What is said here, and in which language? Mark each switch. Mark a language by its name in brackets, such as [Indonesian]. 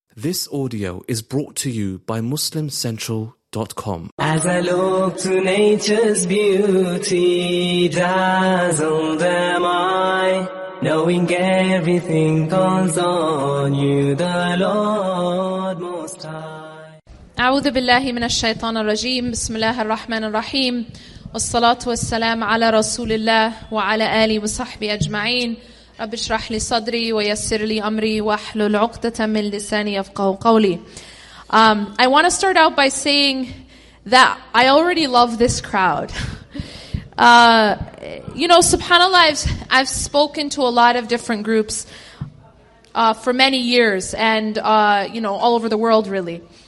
[English] This audio is brought to you by MuslimCentral.com. As I look to nature's beauty, dazzled am I, knowing everything calls on you, the Lord Most High. [Arabic] أعوذ بالله من الشيطان الرجيم. بسم الله الرحمن الرحيم. والصلاة والسلام على رسول الله وعلى آله وصحبه أجمعين. رب اشرح لي صدري ويسر لي امري واحلل عقدة من لساني يفقهوا قولي. [English] I want to start out by saying that I already love this crowd. You know, subhanAllah, I've spoken to a lot of different groups for many years and you know, all over the world really.